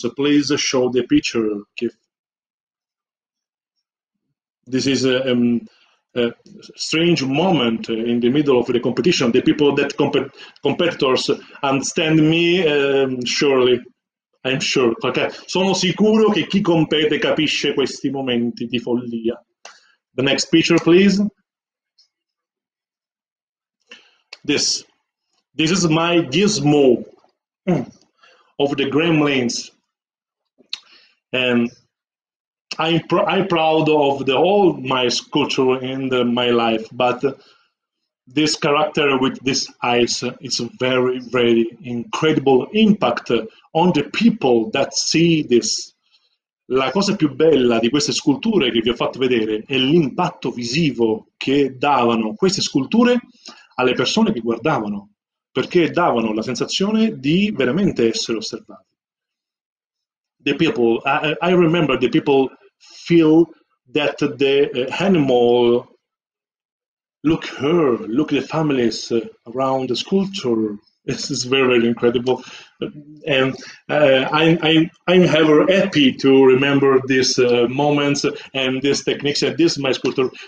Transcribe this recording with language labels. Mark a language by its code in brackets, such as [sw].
[en] So please show the picture, Keith. This is a strange moment in the middle of the competition. The people that competitors understand me, surely, I'm sure. Okay. [it] Sono sicuro che chi compete capisce questi momenti di follia. [en] The next picture, please. This is my gizmo of the gremlins. And I'm proud of the all my sculpture and my life, but this character with these eyes is very, very incredible impact on the people that see this. [it] La cosa più bella di queste sculture che vi ho fatto vedere è l'impatto visivo che davano queste sculture alle persone che guardavano, perché davano la sensazione di veramente essere osservati. [en] The people, I remember the people feel that the animal look her, look the families around the sculpture. This is very, very incredible. And I'm ever happy to remember these moments and these techniques. And this is my sculpture.